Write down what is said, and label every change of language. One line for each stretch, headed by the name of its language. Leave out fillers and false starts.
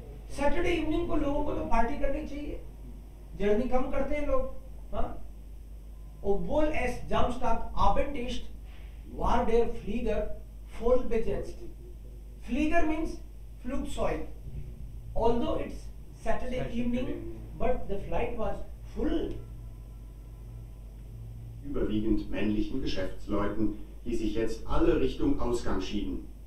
English: Saturday evening
Hindi: को लोगों को तो पार्टी करनी चाहिए, जर्नी कम करते हैं लोग, हाँ।
German: Obwohl es Samstagabend ist, war der Flieger voll besetzt.
English: Flieger means Flugzeug. Although it's Saturday evening, but the flight was full.
German: Überwiegend männlichen Geschäftsleuten, die sich jetzt alle Richtung Ausgang schieben.